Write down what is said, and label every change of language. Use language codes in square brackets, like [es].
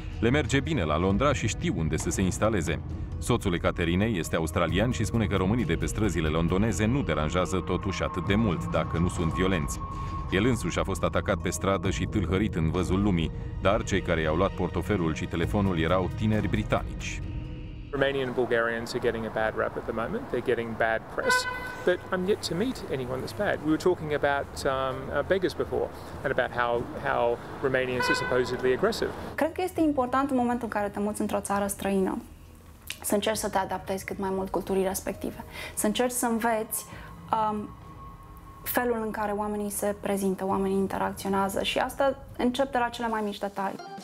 [ro] Le merge bine la Londra și știu unde să se instaleze. Soțul Ecaterinei este australian și spune că românii de pe străzile londoneze nu deranjează totuși atât de mult, dacă nu sunt violenți. El însuși a fost atacat pe stradă și tâlhărit în văzul lumii, dar cei care i-au luat portofelul și telefonul erau tineri britanici. [en] Romanian Bulgarians are getting a bad rap at the moment. They're getting bad press, but I'm yet to meet anyone that's bad. We were talking about beggars before and about how Romanians are supposedly aggressive. [ro] Cred că este important în momentul în care te muți într-o țară străină să încerci să te adaptezi cât mai mult culturii respective. Să încerci să înveți felul în care oamenii se prezintă, oamenii interacționează și asta începe de la cele mai mici detalii.